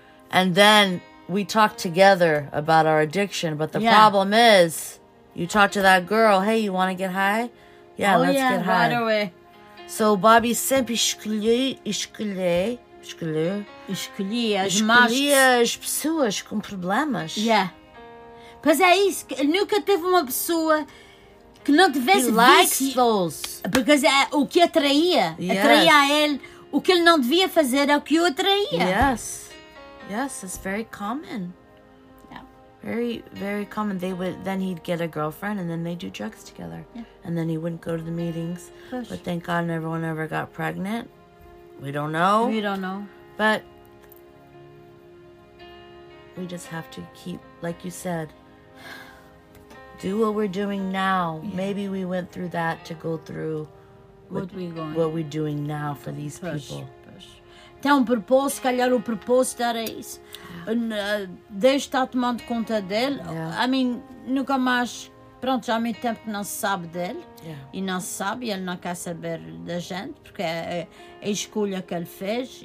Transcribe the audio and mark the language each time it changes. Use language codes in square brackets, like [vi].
[en] And then we talk together about our addiction. But the problem is, you talk to that girl, hey, you want to get high? Yeah, let's get high. Right away. [pt] So Bobby sempre escolhi as pessoas com problemas. Yeah. Pois é isso, ele nunca teve uma pessoa que não tivesse vício. [en] He likes those. [pt] Porque é o que atraía. [en] Yes. [pt] Atraía a ele. O que ele não devia fazer é o que o atraía. [en] Yes. Yes, it's very common. Very, very common. They would then he'd get a girlfriend and then they'd do drugs together. Yeah. And then he wouldn't go to the meetings. Push. But thank God no one ever got pregnant. We don't know. We don't know. But we just have to keep, like you said, do what we're doing now. Yeah. Maybe we went through that to go through what we're doing now for these Push. People. [pt] Tem um propósito, se calhar o propósito era isso. Deus está tomando conta dele. Yeah. [en] I mean, [pt] nunca mais. Pronto, já há muito tempo que não se sabe dele. Yeah. E não se sabe, ele não quer saber da gente, porque é a escolha que ele fez.